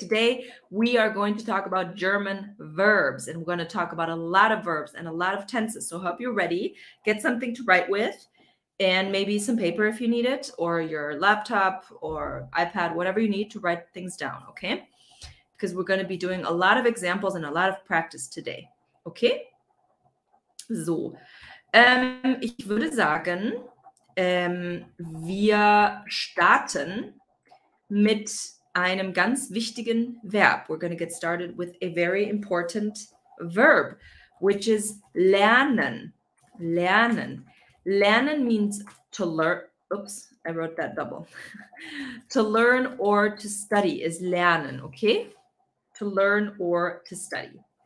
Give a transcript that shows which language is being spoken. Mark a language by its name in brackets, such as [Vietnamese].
[English] Today we are going to talk about German verbs and we're going to talk about a lot of verbs and a lot of tenses. So hope you're ready. Get something to write with. And maybe some paper if you need it, or your laptop or iPad, whatever you need to write things down, okay? Because we're going to be doing a lot of examples and a lot of practice today, okay? [German] So, ich würde sagen, wir starten mit einem ganz wichtigen Verb. [English] We're going to get started with a very important verb, which is lernen. Lernen. Lernen means to learn. Oops, I wrote that double. To learn or to study is lernen, okay? To learn or to study.